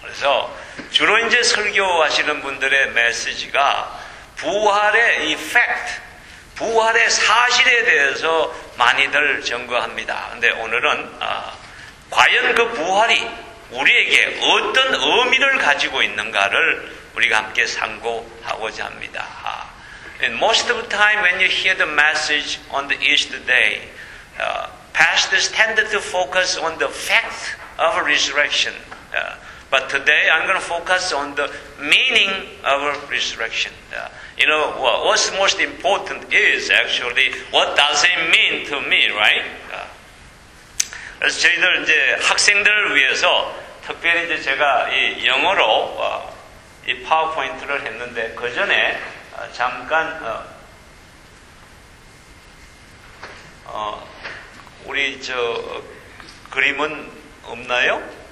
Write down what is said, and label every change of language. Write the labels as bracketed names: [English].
[Korean] 그래서 주로 이제 설교하시는 분들의 메시지가 부활의 이 팩트, 부활의 사실에 대해서 많이들 증거합니다. 근데 오늘은 과연 그 부활이 우리에게 어떤 의미를 가지고 있는가를 우리가 함께 상고하고자 합니다. [English] And most of the time when you hear the message on the Easter day, pastors tended to focus on the fact of a resurrection. But today I'm going to focus on the meaning of a resurrection. You know, what's most important is actually what does it mean to me, right? [Korean] 그래서 저희들 이제 학생들을 위해서 특별히 이제 제가 이 영어로 이 파워포인트를 했는데 그 전에 잠깐 우리 저 그림은 없나요?